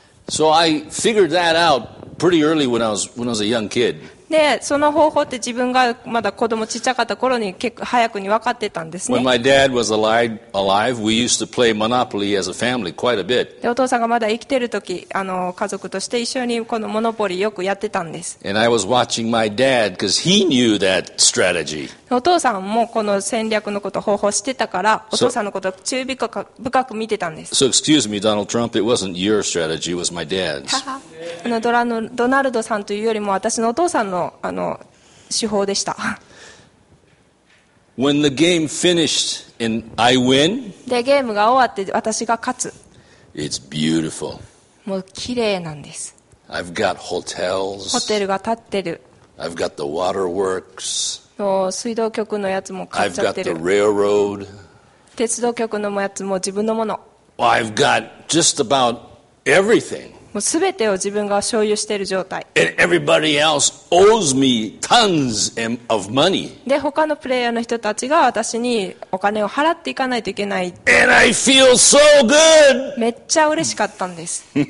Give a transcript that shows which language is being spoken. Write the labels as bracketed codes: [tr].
[en] So I figured that out pretty early when I was a young kid. [ja] で、その方法って自分がまだ子供ちっちゃかった頃に結構早くに分かってたんですね。 [en] When my dad was alive, we used to play Monopoly as a family quite a bit. [ja] で、お父さんがまだ生きてる時、家族として一緒にこのモノポリよくやってたんです。 [en] And I was watching my dad because he knew that strategy. [ja] お父さんもこの戦略のこと、方法知ってたから、お父さんのことを注意深く見てたんです。 [en] So excuse me, Donald Trump, it wasn't your strategy, it was my dad's. [ja] ドナルドさんというよりも私のお父さん の手法でした。 [en] When the game finished and I win, [ja] でゲームが終わって私が勝つ。 [en] It's beautiful. [ja] もう綺麗なんです。 [en] I've got hotels. [ja] ホテルが建ってる。 [en] I've got the waterworks. [ja] 水道局のやつも買っちゃってる。 [en] I've got the railroad. [ja] 鉄道局のやつも自分のもの。 [en] Well, I've got just about everything. [ja] もう全てを自分が所有している状態。 [en] And everybody else owes me tons of money. [ja] で、他のプレイヤーの人たちが私にお金を払っていかないといけない。 [en] And I feel so good. [ja] めっちゃ嬉しかったんです。